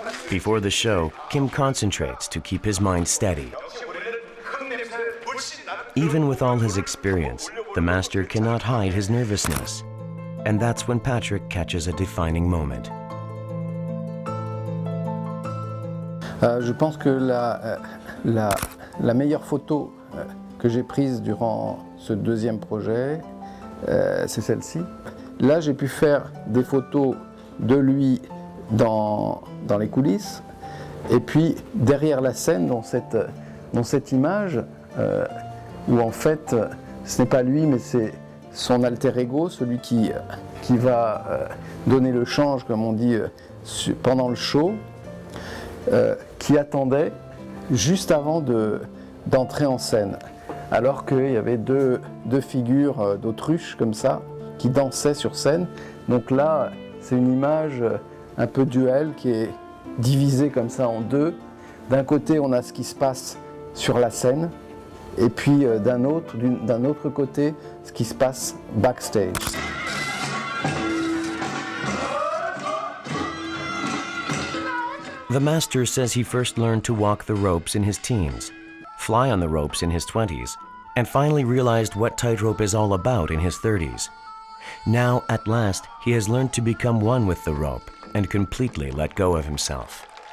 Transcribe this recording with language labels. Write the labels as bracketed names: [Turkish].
[English] Before the show, Kim concentrates to keep his mind steady. Even with all his experience, the master cannot hide his nervousness. And that's when Patrick catches a defining moment. [French] Je pense que la meilleure photo que j'ai prise durant ce deuxième projet, c'est celle-ci. Là, j'ai pu faire des photos de lui dans les coulisses. Et puis, derrière la scène, dans cette image, où en fait, ce n'est pas lui, mais c'est son alter ego, celui qui va donner le change, comme on dit, pendant le show. Qui attendait juste avant d'entrer en scène, alors qu'il y avait deux figures d'autruche comme ça qui dansaient sur scène. Donc là, c'est une image un peu duelle qui est divisée comme ça en deux. D'un côté, on a ce qui se passe sur la scène, et puis d'un autre côté, ce qui se passe backstage. [English] The master says he first learned to walk the ropes in his teens, fly on the ropes in his 20s, and finally realized what tightrope is all about in his 30s. Now, at last, he has learned to become one with the rope and completely let go of himself.